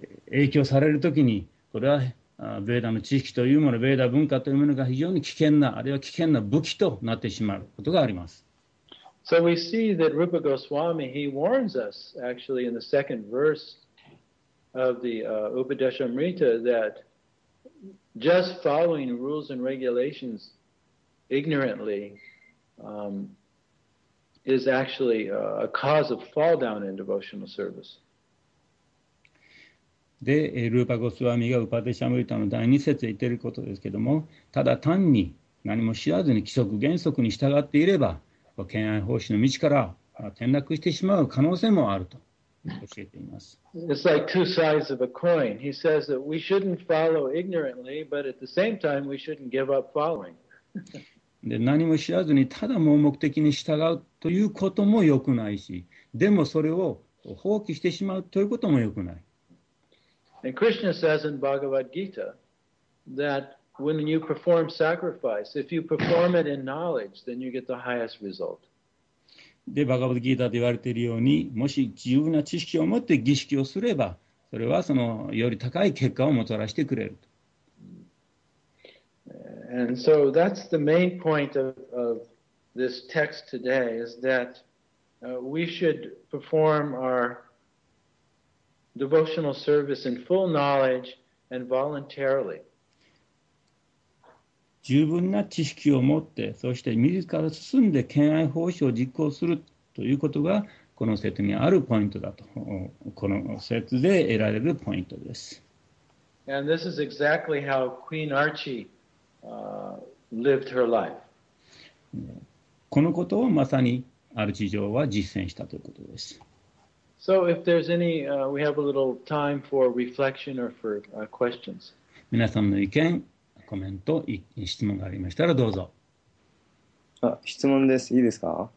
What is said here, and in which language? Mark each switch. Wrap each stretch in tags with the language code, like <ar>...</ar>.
<ja>影響されるときに、これはベーダの知識というもの、ベーダ文化というものが非常に危険な、あるいは危険な武器となってしまうことがあります。</ja> <en>So we see that Rupa Goswami, he warns us actually in the second verse of the Upadeshamrita that just following rules and regulations ignorantly is actually a cause of fall down in devotional service.</en> <ja>で、Rupa Goswami が Upadeshamrita の第二節で言っていることですけども、ただ単に何も知らずに規則原則に従っていれば、敬愛奉仕の道から転落してしまう可能性もあると教えています。</ja> <en>It's like two sides of a coin. He says that we shouldn't follow ignorantly, but at the same time we shouldn't give up following.</en> <ja>で、何も知らずにただ盲目的に従うということも良くないし、でもそれを放棄してしまうということも良くない。</ja> <en>And Krishna says in Bhagavad Gita that when you perform sacrifice, if you perform it in knowledge, then you get the highest result.</en> <ja>で、バガヴァッド・ギーターで言われているように、もし自由な知識を持って儀式をすれば、それはそのより高い結果をもたらしてくれると。</ja> <en>And so that's the main point of this text today, is that we should perform our devotional service in full knowledge and voluntarily.</en> <ja>十分な知識を持って、そして自ら進んで敬愛奉仕を実行するということが、この説にあるポイントだと、この説で得られるポイントです。</ja> <en>And this is exactly how Queen Archie, lived her life.</en> <ja>このことをまさにアルチ女王は実践したということです。</ja> <en>So if there's any, we have a little time for reflection or for, questions.</en> <ja>皆さんの意見、コメント、質問がありましたらどうぞ。あ、質問です。いいですか。</ja>